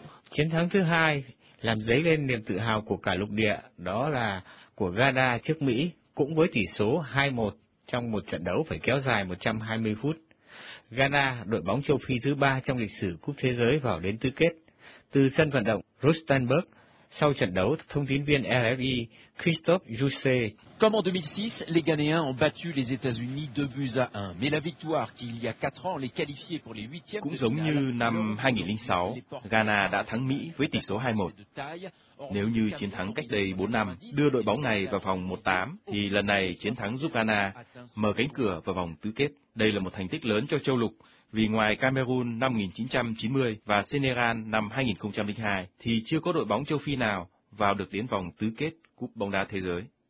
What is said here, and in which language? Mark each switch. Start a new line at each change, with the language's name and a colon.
Vietnamese: Chiến thắng thứ hai làm dấy lên niềm tự hào của cả lục địa, đó là của Ghana trước Mỹ, cũng với tỷ số 2-1 trong một trận đấu phải kéo dài 120 phút. Ghana, đội bóng châu Phi thứ ba trong lịch sử Cúp Thế giới vào đến tứ kết. Từ sân vận động Rustenburg, sau trận đấu, thông tin viên RFI Christophe Jussé.
French: Comme en 2006, les Ghanéens ont battu les États-Unis 2-1, mais la victoire qu'il y a 4 ans les qualifiait pour les 8e de finale.
Vietnamese: Cũng giống như năm 2006, Ghana đã thắng Mỹ với tỷ số 2-1. Nếu như chiến thắng cách đây 4 năm đưa đội bóng này vào vòng 1/8, thì lần này chiến thắng giúp Ghana mở cánh cửa vào vòng tứ kết. Đây là một thành tích lớn cho châu lục, vì ngoài Cameroon năm 1990 và Senegal năm 2002, thì chưa có đội bóng châu Phi nào vào được đến vòng tứ kết Cúp bóng đá thế giới.